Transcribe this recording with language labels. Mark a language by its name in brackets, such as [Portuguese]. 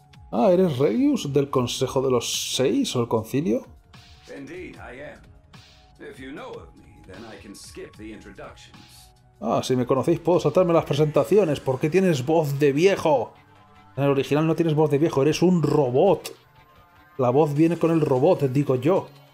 [Spanish] Ah, ¿eres Regius del Consejo de los Seis o el Concilio? [English] Indeed, I am. If you know of me, then I can skip the introductions. [Spanish] Ah, si me conocéis, puedo saltarme las presentaciones. ¿Por qué tienes voz de viejo? En el original no tienes voz de viejo, eres un robot. La voz viene con el robot, digo yo.